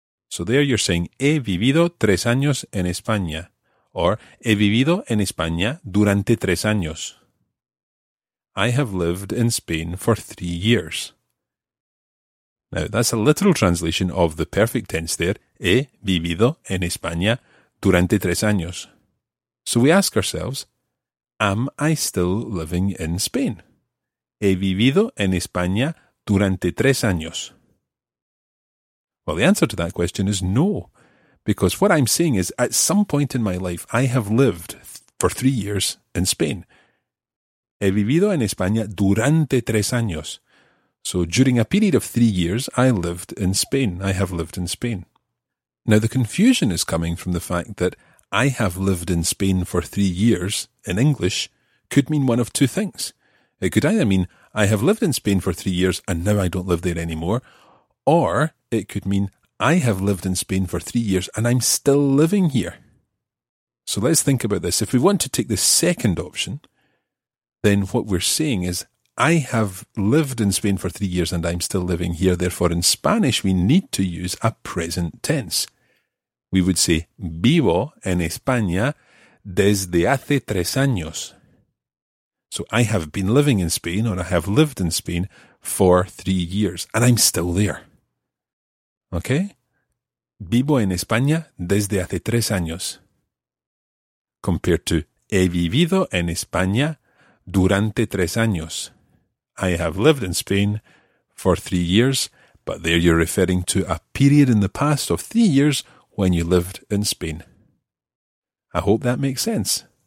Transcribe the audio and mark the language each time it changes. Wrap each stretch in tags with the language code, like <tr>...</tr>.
<en>So there you're saying,</en> <es>he vivido 3 años en España, or he vivido en España durante 3 años.</es> <en>I have lived in Spain for 3 years. Now, that's a literal translation of the perfect tense there,</en> <es>he vivido en España durante 3 años.</es> <en>So we ask ourselves, am I still living in Spain?</en> <es>He vivido en España durante 3 años.</es> <en>Well, the answer to that question is no, because what I'm saying is at some point in my life, I have lived for 3 years in Spain.</en> <es>He vivido en España durante 3 años.</es> <en>So during a period of 3 years, I lived in Spain. I have lived in Spain. Now, the confusion is coming from the fact that I have lived in Spain for 3 years in English could mean one of two things. It could either mean I have lived in Spain for 3 years and now I don't live there anymore, or it could mean I have lived in Spain for 3 years and I'm still living here. So let's think about this. If we want to take the second option, then what we're saying is I have lived in Spain for 3 years and I'm still living here. Therefore, in Spanish, we need to use a present tense. We would say</en> <es>vivo en España desde hace 3 años.</es> <en>So I have been living in Spain, or I have lived in Spain for 3 years and I'm still there. Okay?</en> <es>Vivo en España desde hace 3 años.</es> <en>Compared to</en> <es>he vivido en España durante 3 años.</es> <en>I have lived in Spain for 3 years, but there you're referring to a period in the past of 3 years when you lived in Spain. I hope that makes sense.</en>